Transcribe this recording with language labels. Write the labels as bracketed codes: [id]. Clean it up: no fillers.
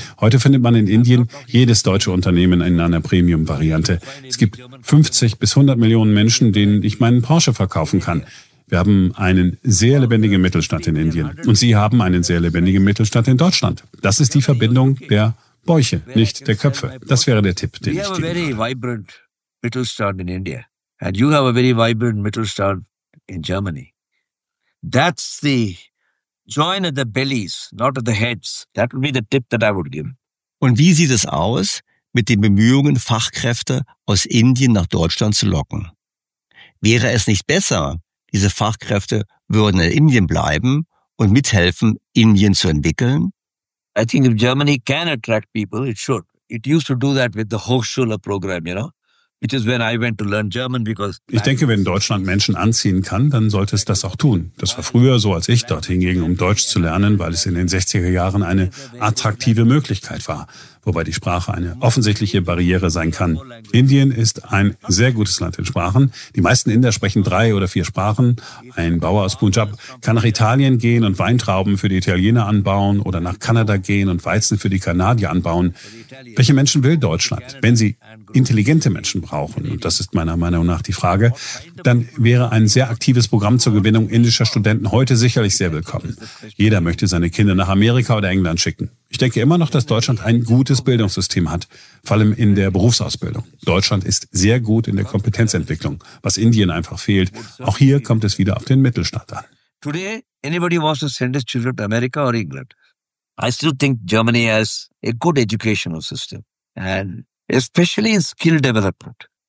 [de] Heute findet man in Indien jedes deutsche Unternehmen in einer Premium-Variante. Es gibt 50 bis 100 Millionen Menschen, denen ich meinen Porsche verkaufen kann. Wir haben einen sehr lebendigen Mittelstand in Indien und Sie haben einen sehr lebendigen Mittelstand in Deutschland. Das ist die Verbindung der Bäuche, nicht der Köpfe. Das wäre der Tipp, den ich geben kann. [en] We have a very vibrant Mittelstand in India and you have a very vibrant Mittelstand in Germany. That's the join at the bellies, not at the heads. That would be the tip that I would give. [de] Und wie sieht es aus mit den Bemühungen, Fachkräfte aus Indien nach Deutschland zu locken? Wäre es nicht besser, diese Fachkräfte würden in Indien bleiben und mithelfen, Indien zu entwickeln? [en] I think if Germany can attract people, it should. It used to do that with the Hochschule program, you know? [de] Ich denke, wenn Deutschland Menschen anziehen kann, dann sollte es das auch tun. Das war früher so, als ich dorthin ging, um Deutsch zu lernen, weil es in den 60er Jahren eine attraktive Möglichkeit war, wobei die Sprache eine offensichtliche Barriere sein kann. Indien ist ein sehr gutes Land in Sprachen. Die meisten Inder sprechen 3 oder 4 Sprachen. Ein Bauer aus Punjab kann nach Italien gehen und Weintrauben für die Italiener anbauen oder nach Kanada gehen und Weizen für die Kanadier anbauen. Welche Menschen will Deutschland, wenn sie intelligente Menschen brauchen, und das ist meiner Meinung nach die Frage, dann wäre ein sehr aktives Programm zur Gewinnung indischer Studenten heute sicherlich sehr willkommen. Jeder möchte seine Kinder nach Amerika oder England schicken. Ich denke immer noch, dass Deutschland ein gutes Bildungssystem hat, vor allem in der Berufsausbildung. Deutschland ist sehr gut in der Kompetenzentwicklung, was Indien einfach fehlt. Auch hier kommt es wieder auf den Mittelstand an. [en] Today, anybody wants to send his children to America or England. I still think Germany has a good educational system. And especially in skill development.